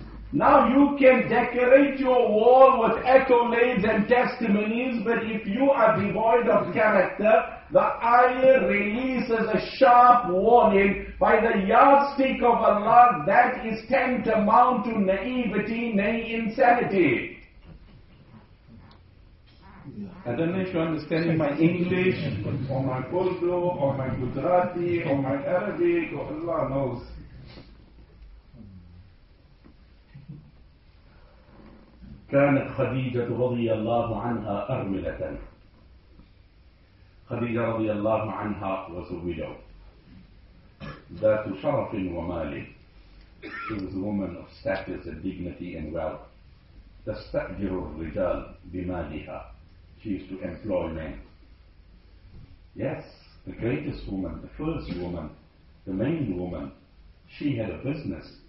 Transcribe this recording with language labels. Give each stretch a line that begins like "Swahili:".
English: Now you can decorate your wall with accolades and testimonies, but if you are devoid of character, the ayah releases a sharp warning by the yardstick of Allah that is tantamount to naivety, nay insanity. I don't know if you're understanding my English, or my Urdu, or my Gujarati, or my Arabic, or Allah knows.
Arabic: كانت خديجة رضي الله عنها أرملة. خديجة رضي الله عنها وزوجها ذات شرف ومال.
English: She was a woman of status and dignity and wealth.
Arabic: تستأجر الرجال بمالها.
English: She used to employ men. Yes, the greatest woman, the first woman, the main woman, she had a business.